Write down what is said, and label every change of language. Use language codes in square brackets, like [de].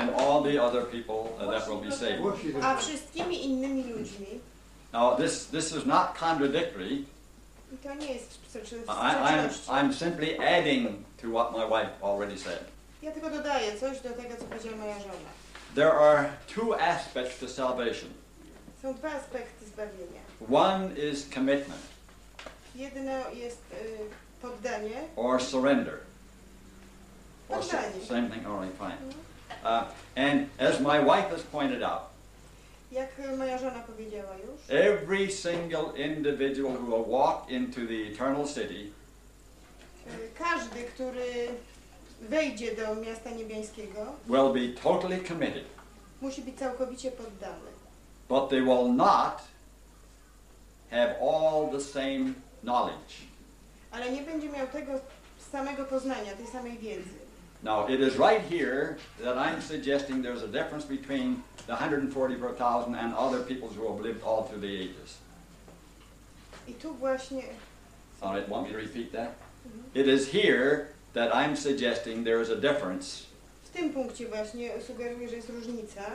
[en] and all the other people that will be saved. [pl] A wszystkimi innymi ludźmi. [en] Now this is not contradictory. [pl] To nie jest [en] I'm simply adding to what my wife already said. [pl] Ja tylko dodaję coś do tego, co powiedziała moja żona. [en] There are two aspects to salvation. [pl] Są dwa aspekty zbawienia. [en] One is commitment. [pl] Jedno jest poddanie. [en] Or surrender. [pl] Poddanie. [en] Same thing, all right, fine. And as my wife has pointed out, [pl] jak moja żona powiedziała już, [en] every single individual who will walk into the eternal city, [pl] każdy, który wejdzie do miasta niebiańskiego, [en] will be totally committed. [pl] Musi być całkowicie poddany. [en] But they will not have all the same knowledge. [pl] Ale nie będzie miał tego samego poznania, tej samej wiedzy. [en] Now it is right here that I'm suggesting there's a difference between the 144,000 and other peoples who have lived all through the ages. [pl] I tu właśnie. [en] All right, want me to repeat that? It is here that I'm suggesting there is a difference. [pl] W tym punkcie właśnie sugeruję, że jest różnica.